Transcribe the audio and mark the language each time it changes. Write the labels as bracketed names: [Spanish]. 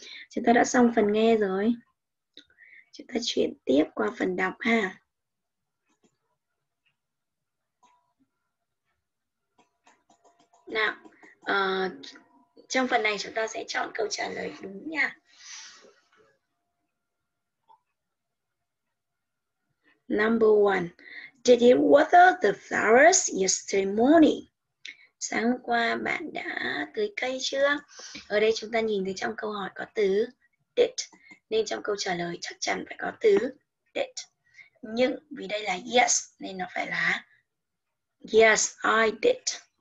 [Vietnamese] Chúng ta đã xong phần nghe rồi. Chúng ta chuyển tiếp qua phần đọc ha. Nào, trong phần này chúng ta sẽ chọn câu trả lời đúng nha. [English] Number one, did you water the flowers yesterday morning? [Vietnamese] Sáng hôm qua bạn đã tưới cây chưa? Ở đây chúng ta nhìn thấy trong câu hỏi có từ did, nên trong câu trả lời chắc chắn phải có từ did. Nhưng vì đây là yes, nên nó phải là [English] yes, I did.